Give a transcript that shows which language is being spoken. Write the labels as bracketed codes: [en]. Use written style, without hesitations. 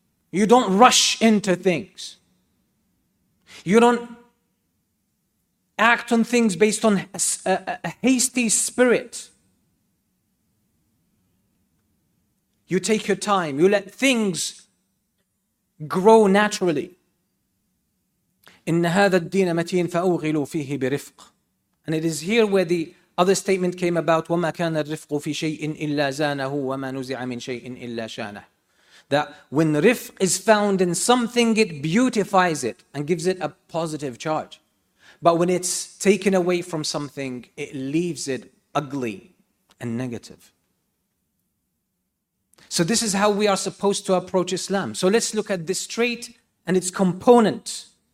[en] You don't rush into things. You don't act on things based on a hasty spirit. You take your time. You let things grow naturally. [ar] إِنَّ هَذَا الدِّينَ مَتِينَ فَأُغِلُوا فِيهِ بِرِفْقٍ. [en] And it is here where the other statement came about, [ar] وَمَا كَانَ الرِّفْقُ فِي شَيْءٍ إِلَّا زَانَهُ وَمَا نُزِعَ مِنْ شَيْءٍ إِلَّا شَانَهُ. [en] That when rifq is found in something, it beautifies it and gives it a positive charge. But when it's taken away from something, it leaves it ugly and negative. So this is how we are supposed to approach Islam. So let's look at this trait and its component.